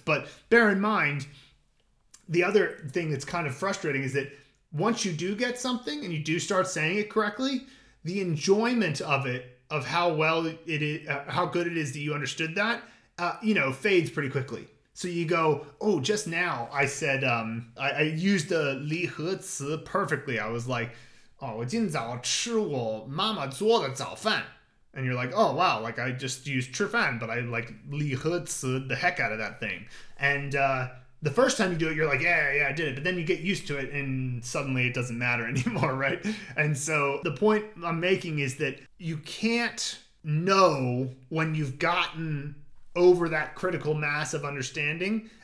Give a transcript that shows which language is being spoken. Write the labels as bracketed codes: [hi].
[en] But bear in mind, the other thing that's kind of frustrating is that once you do get something and you do start saying it correctly, the enjoyment of it, of how well it is, how good it is that you understood that, you know, fades pretty quickly. So you go, oh, just now I said, I used the Li He Ci perfectly. I was like, oh, [zh] 我今早吃我妈妈做的早饭. [en] And you're like, oh, wow, like I just used 吃饭, but I like Li He Ci the heck out of that thing. And the first time you do it, you're like, yeah, I did it. But then you get used to it and suddenly it doesn't matter anymore, right? And so the point I'm making is that you can't know when you've gotten over that critical mass of understanding.